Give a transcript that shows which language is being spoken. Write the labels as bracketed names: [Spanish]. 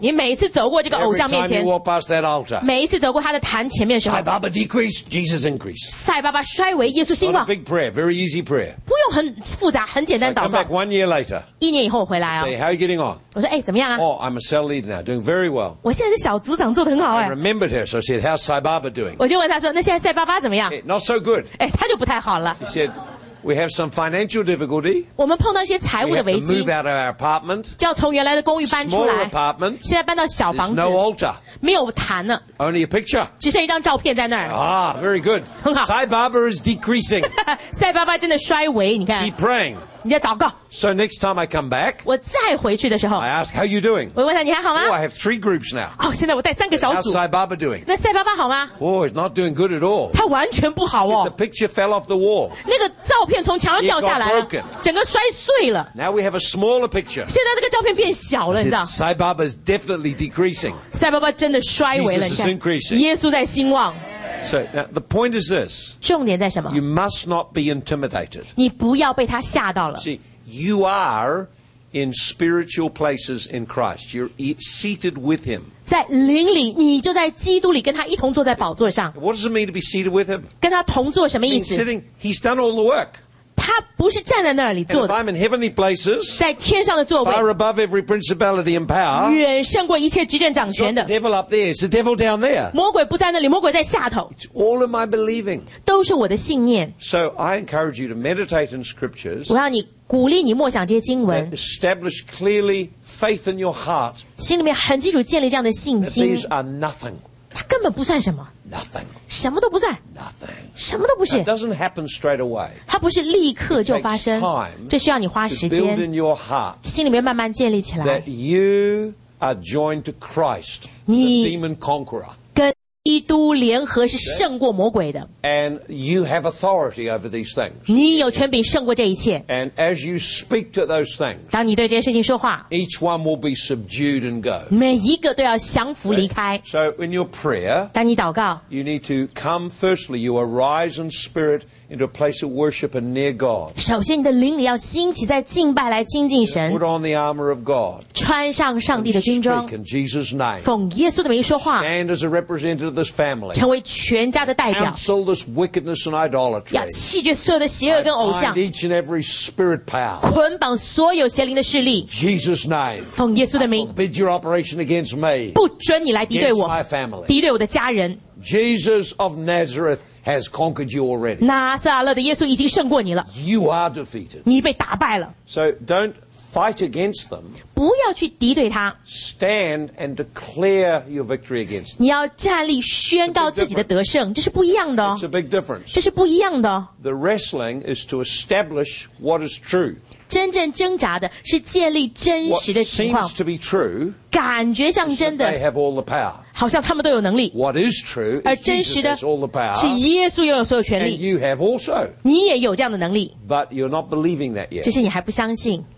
[Chinese] 你每一次走过这个偶像面前, [English] every time you walk past that altar, [Chinese] 每一次走过他的坛前面的时候, [English] Sai Baba decrease, Jesus increase. [Chinese] 塞巴巴衰微, [English] it's not a big prayer, very easy prayer. [Chinese] 不用很复杂, [English] so I come back 1 year later, [Chinese] 一年以后回来啊, [English] I say, how are you getting on? [Chinese] 我说, 诶, 怎么样啊? [English] Oh, I'm a cell leader now, doing very well. [Chinese] 我现在是小组长, 做得很好欸。 [English] I remembered her, so I said, how's Sai Baba doing? [Chinese] 我就问她说, 那现在塞巴巴怎么样? [English] Hey, not so good. [Chinese] 诶, 她就不太好了。 [English] She said, we have some financial difficulty. We have to move out of our apartment. Small apartment. There's no altar. [Chinese] 没有坛啊, [English] only a picture. [Chinese] 只剩一张照片在那儿。 [English] Ah, very good. Sai Baba is decreasing. [Chinese] 塞巴巴真的衰微, 你看。 [English] Keep praying. [Chinese] 你在祷告。 [English] So next time I come back, [Chinese] 我再回去的时候, [English] I ask, how are you doing? [Chinese] 我问他你还好吗? [English] Oh, I have three groups now. [Chinese] Oh, 现在我带三个小组。 [English] How's Sai Baba doing? [Chinese] 那塞巴巴好吗? [English] Oh, it's not doing good at all. [Chinese] 他完全不好哦。 [English] See, the picture fell off the wall. [Chinese] 那个照片从墙上掉下来了, [English] it got broken. [Chinese] 整个摔碎了。 [English] Now we have a smaller picture. [Chinese] 现在那个照片变小了, 你知道? [English] Said, Sai Baba is definitely decreasing. [Chinese] 塞巴巴真的衰微了, [English] Jesus is increasing. [Chinese] 耶稣在兴旺。 [English] So now the point is this. [Chinese] 重点在什么? [English] You must not be intimidated. [Chinese] 你不要被他吓到了。 [English] See, you are in spiritual places in Christ. You're seated with him. [Chinese] 在灵里, 你就在基督里跟他一同坐在宝座上。 [English] What does it mean to be seated with him? [Chinese] 跟他同坐什么意思? [English] It means sitting, he's done all the work. [Chinese] 他不是站在那里坐的。 [English] And if I'm in heavenly places, [Chinese] 在天上的座位, [English] far above every principality and power, [Chinese] 远胜过一切执政掌权的, [English] it's not the devil up there, it's the devil down there. [Chinese] 魔鬼不在那里, 魔鬼在下头, [English] it's all in my believing. [Chinese] 都是我的信念。 [English] So I encourage you to meditate in scriptures, [Chinese] 我要你鼓励你默想这些经文, [English] establish clearly faith in your heart, [Chinese] 心里面很清楚建立这样的信心, [English] these are nothing. [Chinese] 它根本不算什么。 [English] Nothing. [Chinese] 什么都不算, [English] nothing. [Chinese] 什么都不是, [English] it doesn't happen straight away. [Chinese] 它不是立刻就发生, [English] it takes time, [Chinese] 这需要你花时间, [English] to build in your heart, [Chinese] 心里面慢慢建立起来, [English] that you are joined to Christ, the demon conqueror. [Chinese] 督联合是胜过魔鬼的。 [English] And you have authority over these things. [Chinese] 你有权柄胜过这一切。 [English] And as you speak to those things, [Chinese] 当你对这些事情说话， [English] each one will be subdued and go. [Chinese] 每一个都要降服离开。 [English] So in your prayer, [Chinese] 当你祷告， [English] you need to come firstly, you arise in spirit into a place of worship and near God. [Chinese] 首先你的灵里要兴起在敬拜来亲近神。 [English] Put on the armor of God. [Chinese] 穿上上帝的军装。 [English] Speak in Jesus' name. [Chinese] 奉耶稣的名说话。 [English] Stand as a representative of this family. [Chinese] 成为全家的代表。 [English] Cancel this wickedness and idolatry. [Chinese] 要弃绝所有的邪恶跟偶像。 [English] Bind each and every spirit power. [Chinese] 捆绑所有邪灵的势力。 [English] Jesus' name. [Chinese] 奉耶稣的名。 [English] I forbid your operation against me. [Chinese] 不准你来敌对我。 [English] Against my family. [Chinese] 敌对我的家人。 [English] Jesus of Nazareth has conquered you already. [Chinese] 拿撒勒的耶稣已经胜过你了。 [English] You are defeated. [Chinese] 你被打败了。 [English] So don't fight against them. [Chinese] 不要去敌对他。 [English] Stand and declare your victory against them. [Chinese] 你要站立宣告自己的得胜，这是不一样的哦。 [English] It's a big difference. [Chinese] 这是不一样的哦。 [English] The wrestling is to establish what is true. [Chinese] 真正挣扎的是建立真实的情况。 [English] What seems to be true. [Chinese] 感觉像真的。 [English] They have all the power. [Chinese] 好像他们都有能力。 [English] What is true, [Chinese] 而真实的 [English] Jesus has all the power, [Chinese] 是耶稣拥有所有权利。 [English] And you have also. [Chinese] 你也有这样的能力。 [English] But you're not believing that yet. [Chinese] 只是你还不相信。